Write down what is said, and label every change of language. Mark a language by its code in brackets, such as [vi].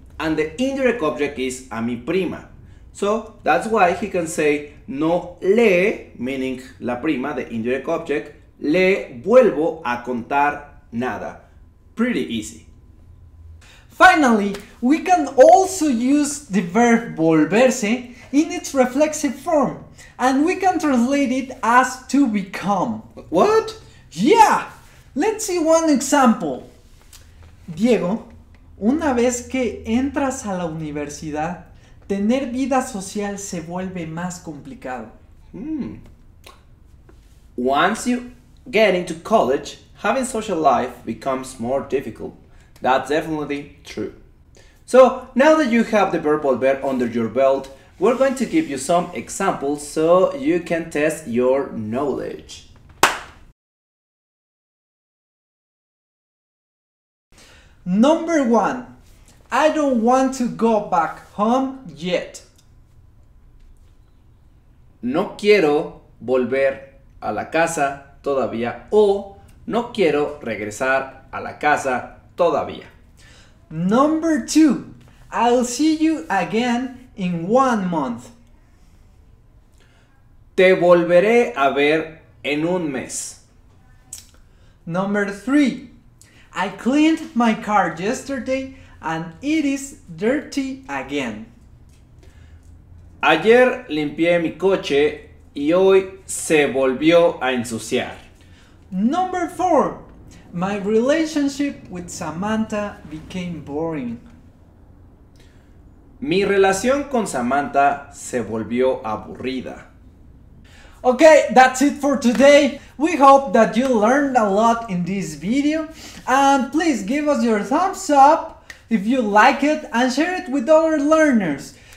[en] And the indirect object is [es] a mi prima. [en] So, that's why he can say, [es] no le, [en] meaning [es] la prima, [en] the indirect object, [es] le vuelvo a contar nada. [en] Pretty easy. Finally, we can also use the verb volverse in its reflexive form. And we can translate it as to become. What? Yeah! Let's see one example. [es] Diego, una vez que entras a la universidad, tener vida social se vuelve más complicado. [en] Once you get into college, having social life becomes more difficult. That's definitely true. So, now that you have the verb volver under your belt, We're going to give you some examples so you can test your knowledge. Number one, I don't want to go back home yet. [es] No quiero volver a la casa todavía o no quiero regresar a la casa todavía. [en] Number two, I'll see you again in 1 month. [es] Te volveré a ver en un mes. [en] Number three, I cleaned my car yesterday and it is dirty again. [es] Ayer limpié mi coche y hoy se volvió a ensuciar. [en] Number four, my relationship with Samantha became boring. [es] Mi relación con Samantha se volvió aburrida. [en] Okay, that's it for today. We hope that you learned a lot in this video. And please give us your thumbs up if you like it and share it with other learners.